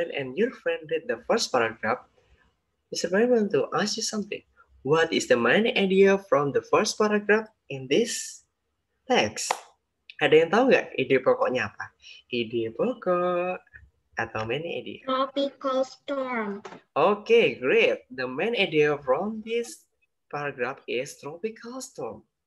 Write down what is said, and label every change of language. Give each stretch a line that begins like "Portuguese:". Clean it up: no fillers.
English: Brian and your friend read the first paragraph, Mr. Brian want to ask you something. What is the main idea from the first paragraph in this text?
Indonesian: Ada yang tahu nggak ide pokoknya apa? Ide pokok atau main idea?
English: Tropical storm. Okay, great. The main idea from this paragraph is tropical storm.